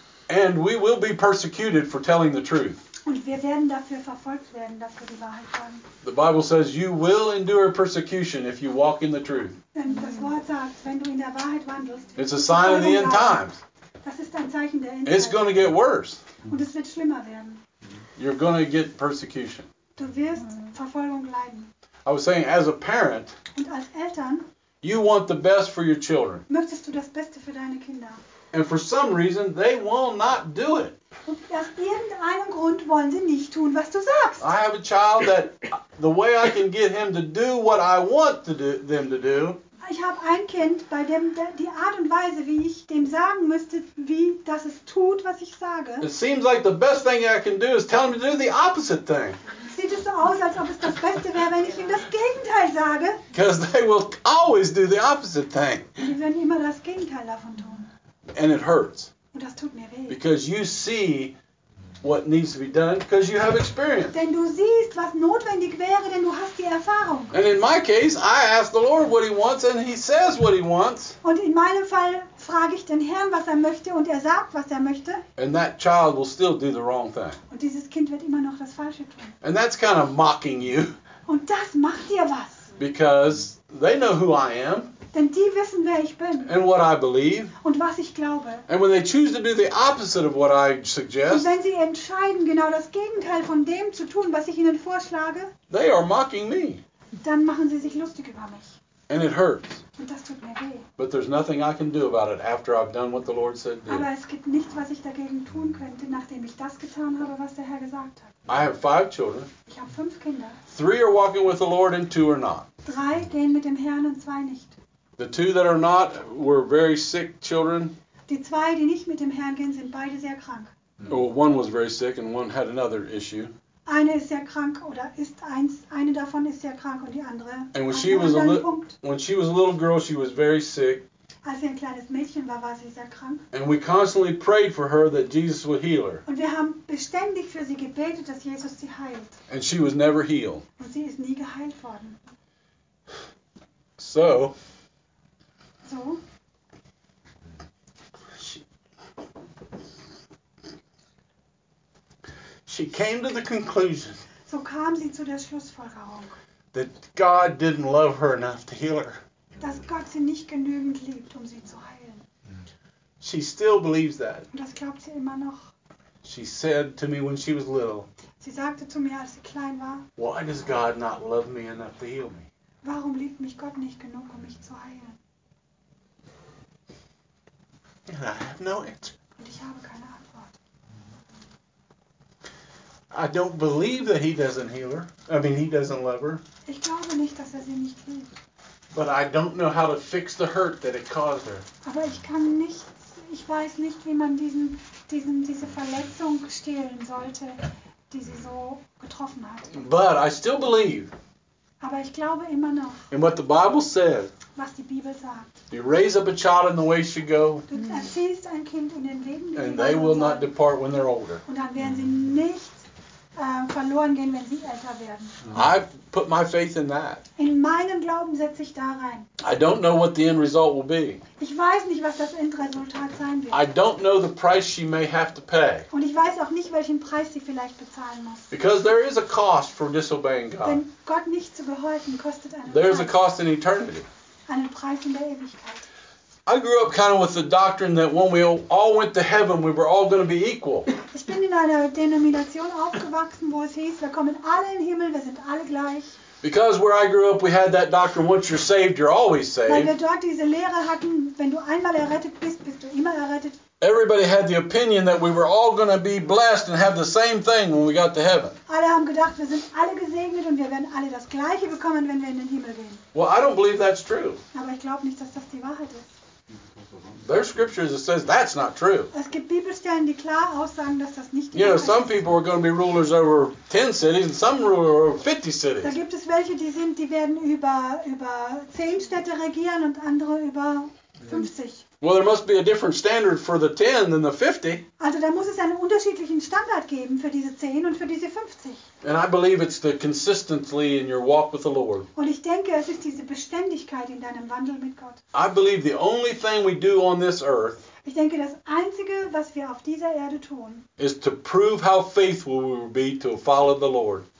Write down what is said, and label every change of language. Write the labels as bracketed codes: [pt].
[en] And we will be persecuted for telling the truth. [de] Und wir werden dafür verfolgt werden, dass wir die Wahrheit sagen. [en] The Bible says you will endure persecution if you walk in the truth. [de] Und das Wort sagt, wenn du in der Wahrheit wandelst. [en] It's a sign of the end times. [de] Das ist ein Zeichen der Endzeit. [en] It's going to get worse. [de] Und es wird schlimmer werden. [en] You're going to get persecution. [de] Du wirst Verfolgung leiden. [en] I was saying, as a parent, [de] und als Eltern, [en] you want the best for your children. [de] Möchtest du das Beste für deine Kinder? [en] And for some reason, they will not do it. [de] Und aus irgendeinem Grund wollen sie nicht tun, was du sagst. [en] I have a child that the way I can get him to do what I want to do, them to do. [de] Ich habe ein Kind, bei dem die Art und Weise, wie ich dem sagen müsste, wie das es tut, was ich sage. [en] It seems like the best thing I can do is tell him to do the opposite thing. [de] Sieht es so aus, als ob es das Beste wäre, wenn ich ihm das Gegenteil sage? [en] Because they will always do the opposite thing. [de] Die werden immer das Gegenteil davon tun. [en] And it hurts. [de] Und das tut mir weh. [en] Because you see what needs to be done, because you have experience. [de] Denn du siehst, was notwendig wäre, denn du hast die Erfahrung. [en] And in my case, I ask the Lord what he wants, and he says what he wants. [de] Und in meinem Fall frage ich den Herrn, was möchte, und sagt, was möchte. [en] And that child will still do the wrong thing. [de] Und dieses Kind wird immer noch das Falsche tun. [en] And that's kind of mocking you. [de] Und das macht dir was. [en] Because they know who I am. [de] Denn die wissen, wer ich bin. [en] And what I believe. [de] Und was ich glaube. [en] And when they choose to do the opposite of what I suggest. [de] Und wenn sie entscheiden, genau das Gegenteil von dem zu tun, was ich ihnen vorschlage. [en] They are mocking me. [de] Dann machen sie sich lustig über mich. [en] And it hurts. [de] Und das tut mir weh. [en] But there's nothing I can do about it after I've done what the Lord said. [de] Aber es gibt nichts, was ich dagegen tun könnte, nachdem ich das getan habe, was der Herr gesagt hat. [en] I have five children. [de] Ich habe fünf Kinder. [en] Three are walking with the Lord and two are not. [de] Drei gehen mit dem Herrn und zwei nicht. [en] The two that are not were very sick children. [de] Die zwei, die nicht mit dem Herrn gehen, sind beide sehr krank. [en] Well, one was very sick and one had another issue. [de] Eine ist sehr krank oder ist eins, eine davon ist sehr krank und die andere. [en] And when she was a little girl, she was very sick. [de] Als sie ein kleines Mädchen war, war sie sehr krank. [en] And we constantly prayed for her that Jesus would heal her. [de] Und wir haben beständig für sie gebetet, dass Jesus sie heilt. [en] And she was never healed. [de] Und sie ist nie geheilt worden. [en] So. [de] So. [en] She came to the conclusion [de] so kam sie zu der Schlussfolgerung, [en] that God didn't love her enough to heal her. [de] Dass Gott sie nicht genügend liebt, um sie zu heilen. [en] She still believes that. [de] Und das glaubt sie immer noch. [en] She said to me when she was little, [de] sie sagte zu mir, als sie klein war, [en] why does God not love me enough to heal me? [de] Warum liebt mich Gott nicht genug, um mich zu heilen? [en] And I have no answer. [de] Und ich habe keine Antwort. [en] I don't believe that he doesn't heal her. I mean, he doesn't love her. [de] Ich glaube nicht, dass er sie nicht liebt. [en] But I don't know how to fix the hurt that it caused her. [de] Aber ich kann nicht, ich weiß nicht, wie man diese Verletzung stillen sollte, die sie so getroffen hat. [en] But I still believe. [de] Aber ich glaube immer noch. [en] And what the Bible says. [de] Was die Bibel sagt. [en] You raise up a child in the way it should go. [de] Du erziehst ein Kind in den Wegen, die [en] and they will not depart when they're older. [de] Und dann werden sie nicht verloren gehen, wenn sie älter werden. [en] I put my faith in that. [de] In meinen Glauben setze ich da rein. [en] I don't know what the end result will be. [de] Ich weiß nicht, was das Endresultat sein wird. [en] I don't know the price she may have to pay. [de] Und ich weiß auch nicht, welchen Preis sie vielleicht bezahlen muss. [en] Because there is a cost for disobeying God. [de] Denn Gott nicht zu gehorchen kostet einen [en] There's Preis. A cost in eternity. [de] Einen Preis in der Ewigkeit. [en] I grew up kind of with the doctrine that when we all went to heaven, we were all going to be equal. [de] Ich bin in einer Denomination aufgewachsen, wo es hieß, wir kommen alle in den Himmel, wir sind alle gleich. [en] Because where I grew up, we had that doctrine, once you're saved, you're always saved. [de] Weil wir dort diese Lehre hatten, wenn du einmal errettet bist, bist du immer errettet. [en] Everybody had the opinion that we were all going to be blessed and have the same thing when we got to heaven. [de] Alle haben gedacht, wir sind alle gesegnet und wir werden alle das Gleiche bekommen, wenn wir in den Himmel gehen. [en] Well, I don't believe that's true. [de] Aber ich glaube nicht, dass das die Wahrheit ist. [en] There's scriptures that says that's not true. [de] Es gibt Bibelstellen, die klar aussagen, dass das nicht. [en] You know, some people are going to be rulers over 10 cities, and some ruler over 50 cities. [de] Da gibt es welche, die sind, die werden über 10 Städte regieren und andere über 50. [en] Well, there must be a different standard for the 10 than the 50. [de] Also, da muss es einen unterschiedlichen Standard geben für diese 10 und für diese 50. [en] And I believe it's the consistency in your walk with the Lord. [de] Und ich denke, es ist diese Beständigkeit in deinem Wandel mit Gott. [en] I believe the only thing we do on this earth. [de] Ich denke, das Einzige, was wir auf dieser Erde tun, [en] is to prove how faithful we will be to follow the Lord.